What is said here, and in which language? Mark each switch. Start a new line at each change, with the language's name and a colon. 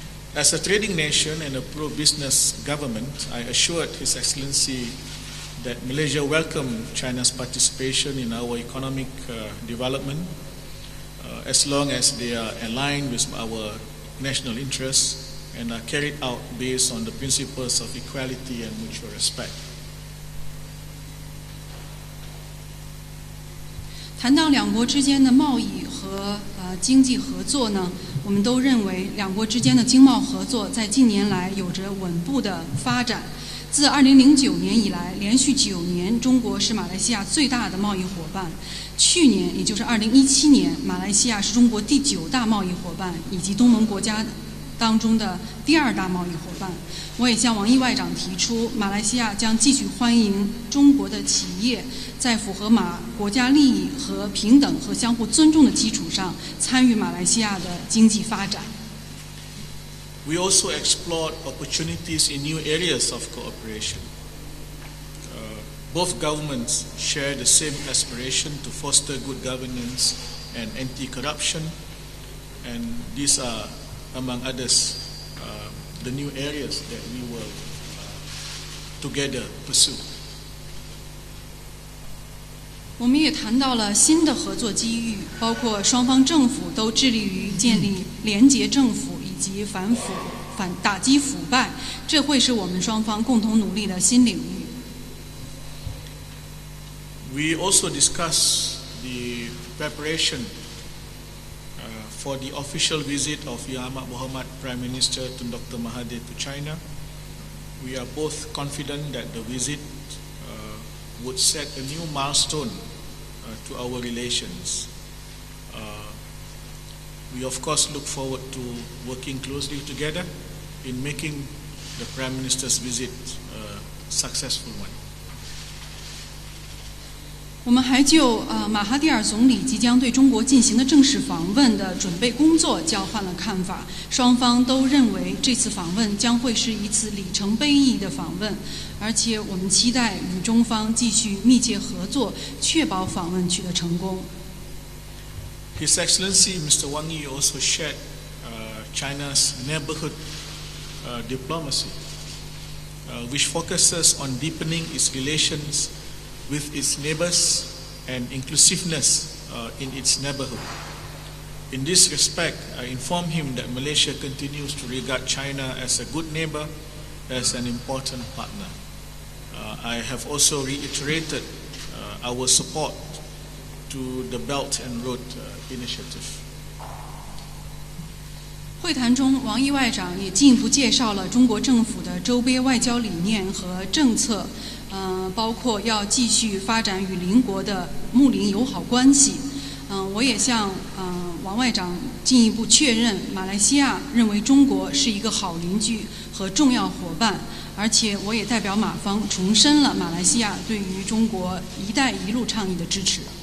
English: As a trading nation and a pro-business government, I assured His Excellency that Malaysia welcomed China's participation in our economic development as long as they are aligned with our national interests and are carried out based on the principles of equality and mutual respect.
Chinese: 谈到两国之间的贸易和经济合作呢，我们都认为两国之间的经贸合作在近年来有着稳步的发展。自2009年以来，连续九年中国是马来西亚最大的贸易伙伴。去年，也就是2017年，马来西亚是中国第九大贸易伙伴以及东盟国家当中的第二大贸易伙伴。我也向王毅外长提出，马来西亚将继续欢迎中国的企业在符合马国家利益和平等和相互尊重的基础上参与马来西亚的经济发展。
English: We also explored opportunities in new areas of cooperation. Both governments share the same aspiration to foster good governance and anti-corruption, and these are, among others, the new areas that we will together pursue.
Chinese: 我们也谈到了新的合作机遇，包括双方政府都致力于建立廉洁政府以及打击腐败，这会是我们双方共同努力的新领域。
English: We also discuss the preparation for the official visit of Yang Amat Berhormat Prime Minister Tun Dr. Mahathir to China. We are both confident that the visit would set a new milestone to our relations. We of course look forward to working closely together in making the Prime Minister's visit a successful one.
Chinese: 我们还就马哈蒂尔总理即将对中国进行的正式访问的准备工作交换了看法。双方都认为这次访问将会是一次里程碑意义的访问，而且我们期待与中方继续密切合作，确保访问取得成功。
English: His Excellency Mr. Wang Yi also shared China's neighborhood diplomacy, which focuses on deepening its relations with its neighbors and inclusiveness in its neighborhood. In this respect, I informed him that Malaysia continues to regard China as a good neighbor, as an important partner. I have also reiterated our support to the Belt and Road Initiative.
Chinese: 会谈中，王毅外长也进一步介绍了中国政府的周边外交理念和政策，包括要继续发展与邻国的睦邻友好关系。我也向王外长进一步确认，马来西亚认为中国是一个好邻居和重要伙伴，而且我也代表马方重申了马来西亚对于中国“一带一路”倡议的支持。